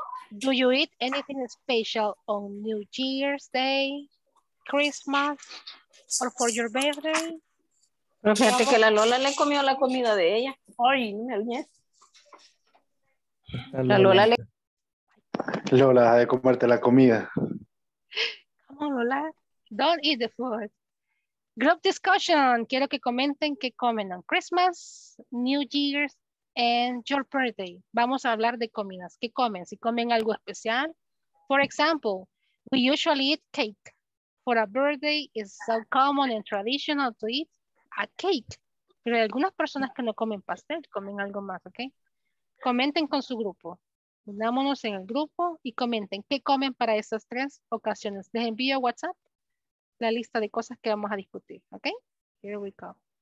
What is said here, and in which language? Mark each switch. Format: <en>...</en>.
<en>Do you eat anything special on New Year's Day, Christmas, or for your birthday?</en> <es>Pero fíjate que la Lola le comió la comida de ella. Ay, me olvidé. La Lola le... Lola, deja de comerte la comida.</es> <en>Come on, Lola. Don't eat the food. Group discussion.</en> <es>Quiero que comenten qué comen</es> <en>on Christmas, New Year's, and your birthday.</en> <es>Vamos a hablar de comidas. ¿Qué comen? Si comen algo especial.</es> <en>For example, we usually eat cake. For a birthday, it's so common and traditional to eat a cake.</en> <es>Pero hay algunas personas que no comen pastel, comen algo más, ¿ok? Comenten con su grupo. Unámonos en el grupo y comenten qué comen para esas tres ocasiones. Les envío a WhatsApp la lista de cosas que vamos a discutir, ¿ok?</es> <en>Here we go.</en>